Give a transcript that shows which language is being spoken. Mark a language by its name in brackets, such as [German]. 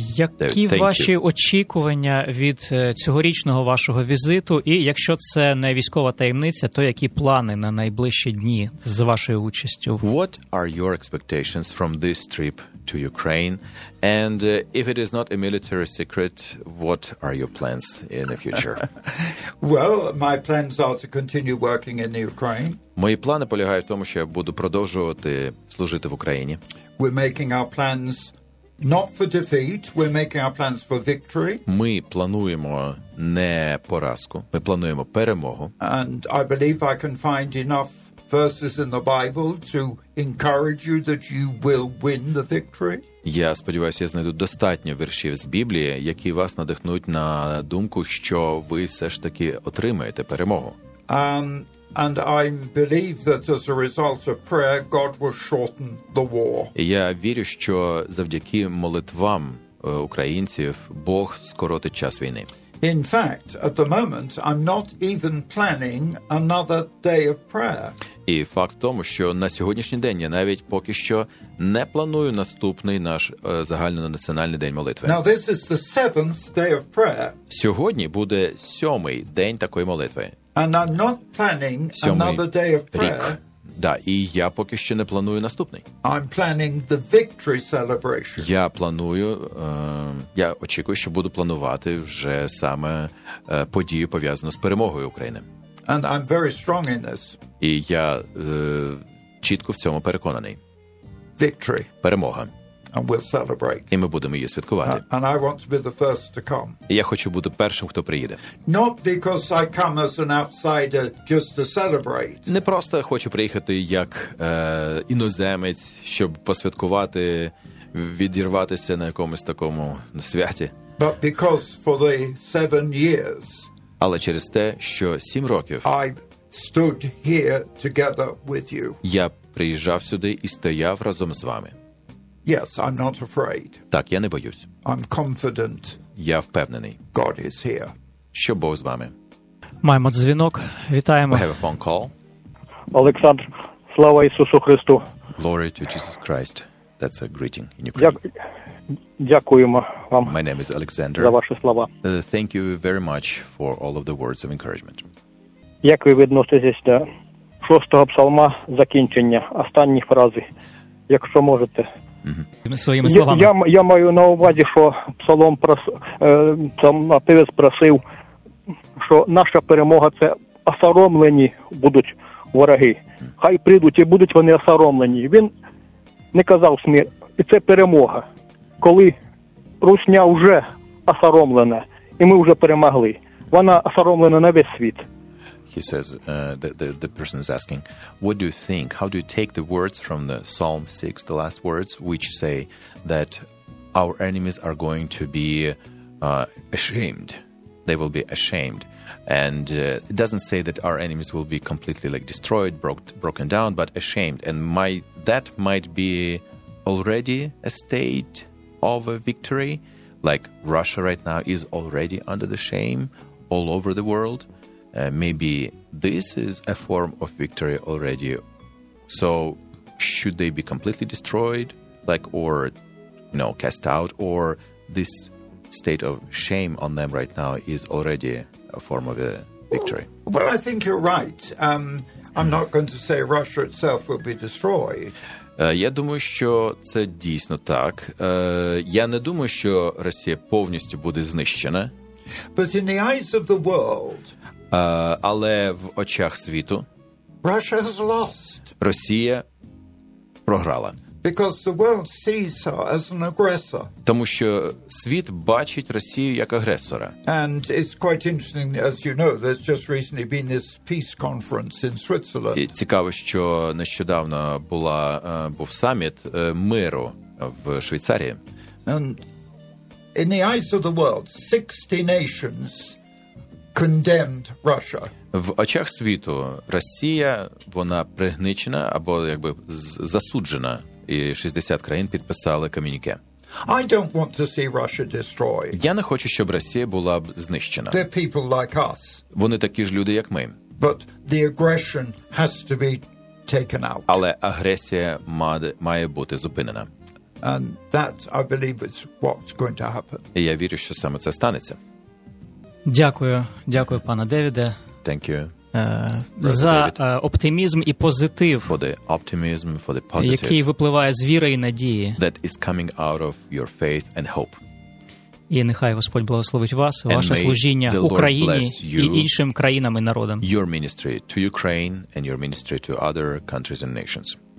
[Ukrainian] Які ваші очікування від цьогорічного вашого візиту? І якщо це не військова таємниця, то які плани на найближчі дні з вашою участю? [English] What are your expectations from this trip to Ukraine? And if it is not a military secret, what are your plans in the future? Well, my plans are to continue working in the Ukraine. [Ukrainian] Мої плани полягають в тому, що я буду продовжувати служити в Україні. [English] We're making our plans not for defeat, we're making our plans for victory. [Ukrainian] Ми плануємо не поразку, ми плануємо перемогу. [English] And I believe I can find enough verses in the Bible to encourage you that you will win the victory. [Ukrainian] Я сподіваюся, я знайду достатньо віршів з Біблії, які вас надихнуть на думку, що ви все ж таки отримаєте перемогу. [English] And I believe that as a result of prayer, God will shorten the war. [Ukrainian] Я вірю, що завдяки молитвам українців Бог скоротить час війни. [English] In fact, at the moment, I'm not even planning another day of prayer. [Ukrainian] І факт в тому, що на сьогоднішній день я навіть поки що не планую наступний наш загальнонаціональний день молитви. [English] Now this is the seventh day of prayer. [Ukrainian] Сьогодні буде сьомий день такої молитви. [English] And I'm not planning another day of prayer. [Ukrainian] Да, і я поки що не планую наступний. [English] I'm planning the victory celebration. [Ukrainian] Я планую, я очікую, що буду планувати вже саме подію, пов'язану з перемогою України. [English] And I'm very strong in this. [Ukrainian] І я чітко в цьому переконаний. [English] Victory. [Ukrainian] Перемога. [English] And we'll celebrate. [Ukrainian] І ми будемо її святкувати. [English] And I want to be the first to come. [Ukrainian] І я хочу бути першим, хто приїде. [English] Not because I come as an outsider just to celebrate. [Ukrainian] Не просто хочу приїхати як іноземець, щоб посвяткувати, відірватися на якомусь такому святі. [English] But because for the 7 years. [Ukrainian] Але через те, що 7 років. [English] I stood here together with you. [Ukrainian] Я приїжджав сюди і стояв разом з вами. [English] Yes, I'm not afraid. [Ukrainian] Так, я не боюсь. [English] I'm confident. [Ukrainian] Я впевнений. [English] God is here. [Ukrainian] Що Бог з вами? Маємо дзвінок. Вітаємо. [English] We have a phone call. [Ukrainian] Олександр, слава Ісусу Христу. [English] Glory to Jesus Christ. That's a greeting in Ukraine. [Ukrainian] Дякуємо вам. [English] My name is Alexander. [Ukrainian] За ваші слова. [English] Thank you very much for all of the words of encouragement. [Ukrainian] Як ви відноситесь до 6-го псалма закінчення, останніх фрази, якщо можете? Своїми словами. Я маю на увазі, що псалом там напевець просив, що наша перемога – це осоромлені будуть вороги. Хай прийдуть і будуть вони осоромлені. Він не казав смерть. І це перемога. Коли Русня вже осоромлена, і ми вже перемогли. Вона осоромлена на весь світ. [English] He says, the person is asking, what do you think? How do you take the words from the Psalm 6, the last words, which say that our enemies are going to be ashamed? They will be ashamed. And it doesn't say that our enemies will be completely like destroyed, broken down, but ashamed. And that might be already a state of a victory. Like Russia right now is already under the shame all over the world. Maybe this is a form of victory already. So should they be completely destroyed, like, or, you know, cast out, or this state of shame on them right now is already a form of a victory? Well, I think you're right. I'm not going to say Russia itself will be destroyed. [Ukrainian] Я думаю, що це дійсно так. Я не думаю, що Росія повністю буде знищена. [English] But in the eyes of the world... [Ukrainian] Але в очах світу [English] Russia has lost. [Ukrainian] Росія програла. [English] Because the world sees her as an aggressor. [Ukrainian] Тому що світ бачить Росію як агресора. [English] And it's quite interesting, as you know, there's just recently been this peace conference in Switzerland. [Ukrainian] І цікаво, що нещодавно був саміт миру в Швейцарії. [English] And in the eyes of the world, 60 nations condemned Russia. [Ukrainian] В очах світу Росія, вона пригнічена або якби засуджена, і 60 країн підписали комюніке. [English] I don't want to see Russia destroyed. [Ukrainian] Я не хочу, щоб Росія була б знищена. [English] They're people like us. [Ukrainian] Вони такі ж люди, як ми. [English] But the aggression has to be taken out. [Ukrainian] Але агресія має бути зупинена. [English] And that, I believe, is what's going to happen. [Ukrainian] І я вірю, що саме це станеться. Дякую. Дякую, пане Девіде. [English] Thank you. [Ukrainian] За оптимізм і позитив, [English] for the optimism, for the positive, [Ukrainian] який випливає з віри і надії, [English] that is coming out of your faith and hope. [Ukrainian] І нехай Господь благословить вас, and ваше служіння Україні і іншим країнам і народам. [English] Your ministry to Ukraine and your ministry to other countries and nations.